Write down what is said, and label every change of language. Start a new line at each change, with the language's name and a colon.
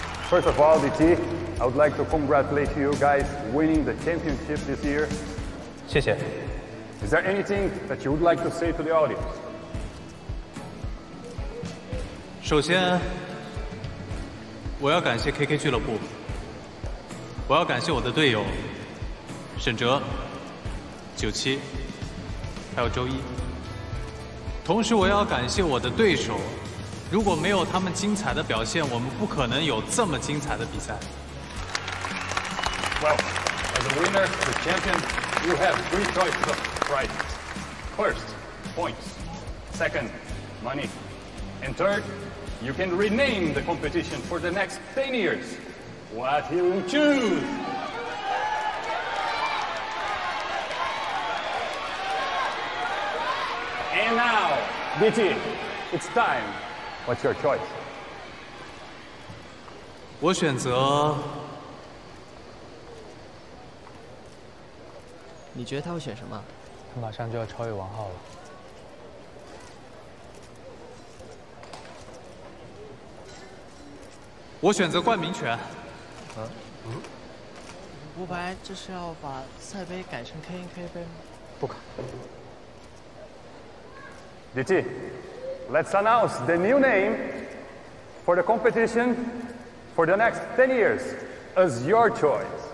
English: First of all, Titi, I would like to congratulate you guys winning the championship this year.
Chinese: 谢谢。
English: Is there anything that you would like to say to the audience?
Chinese: 首先，我要感谢 KK 俱乐部。我要感谢我的队友沈哲、九七还有周一，同时我要感谢我的对手，如果没有他们精彩的表现，我们不可能有这么精彩的比赛。
English: Well, as a winner, the champion, you have three choices of prizes. First, points. Second, money. And third, you can rename the competition for the next 10 years. What he will choose. And now, DT, it's time. What's your choice?
Chinese: 我选择。你觉得他会选什么？他马上就要超越王浩了。我选择冠名权。嗯，吴白，这是要把赛杯改成 KNK 杯吗？不改。
English: DT, let's announce the new name for the competition for the next 10 years as your choice.